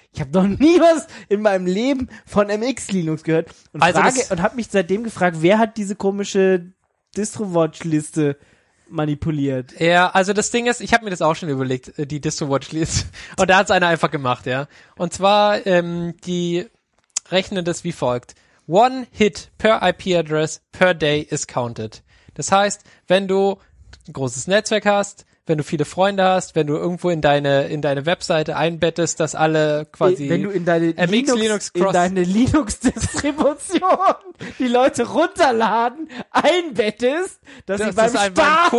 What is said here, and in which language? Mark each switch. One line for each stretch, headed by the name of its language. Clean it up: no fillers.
German: Ich habe noch nie was in meinem Leben von MX Linux gehört. Und also habe mich seitdem gefragt, wer hat diese komische DistroWatch-Liste manipuliert? Ja, also das Ding ist, ich habe mir das auch schon überlegt, die DistroWatch-Liste. Und da hat es einer einfach gemacht, ja. Und zwar, die rechnen das wie folgt.
English: One hit per IP-Address per day is counted.
German: Das heißt, wenn du ein großes Netzwerk hast, wenn du viele Freunde hast, wenn du irgendwo in deine Webseite einbettest, dass alle quasi wenn du in deine MX Linux in deine Linux Distribution die Leute runterladen, einbettest, dass sie beim Starten